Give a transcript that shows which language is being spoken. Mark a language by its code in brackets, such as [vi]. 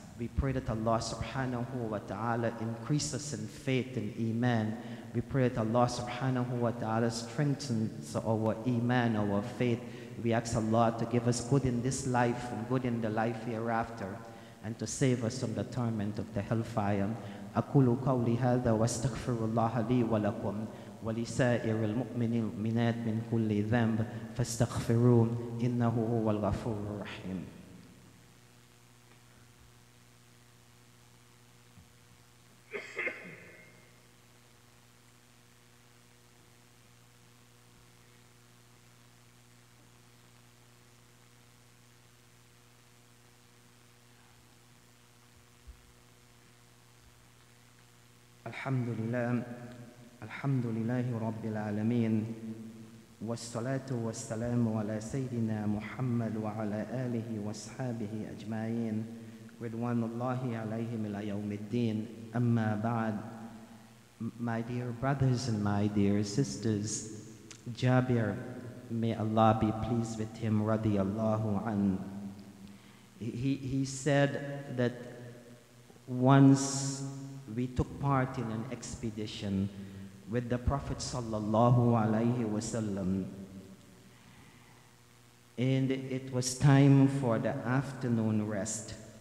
[en] We pray that Allah subhanahu wa ta'ala increase us in faith and iman. We pray that Allah subhanahu wa ta'ala strengthens our iman, our faith. We ask Allah to give us good in this life and good in the life hereafter, and to save us from the torment of the hellfire. [ar] أقول قولي هذا واستغفر الله لي ولكم ولسائر المؤمنات من كل ذنب فاستغفروه إنه هو الغفور الرحيم. الحمد لله الحمد لله رب العالمين والصلاة والسلام على سيدنا محمد وعلى آله وصحبه أجمعين رضوان الله عليهم إلى يوم الدين أما بعد. [en] My dear brothers and my dear sisters, Jabir, may Allah be pleased with him, [ar] رضي الله عنه. [en] He said that once we took part in an expedition with the Prophet sallallahu alaihi wasallam, and it was time for the afternoon rest.